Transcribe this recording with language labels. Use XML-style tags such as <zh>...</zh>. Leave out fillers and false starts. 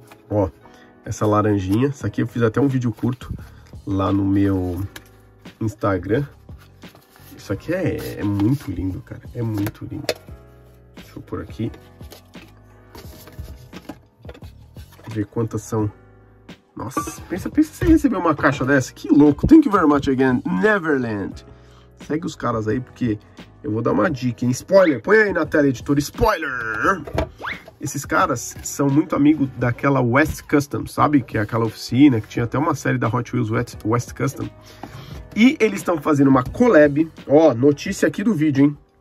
<pt>Ó, essa laranjinha. Essa aqui eu fiz até um vídeo curto lá no meu Instagram. Isso aqui é muito lindo, cara. É muito lindo. Deixa eu pôr aqui. Ver quantas são. Nossa, pensa se você receber uma caixa dessa. Que louco.</pt> <en>Thank you very much again, Neverland.</en> <pt>Segue os caras aí, porque eu vou dar uma dica, hein? Spoiler, põe aí na tela, editor. Spoiler! Esses caras são muito amigos daquela West Custom, sabe? Que é aquela oficina que tinha até uma série da Hot Wheels West Custom. E eles estão fazendo uma collab. Ó, notícia aqui do vídeo, hein?</pt>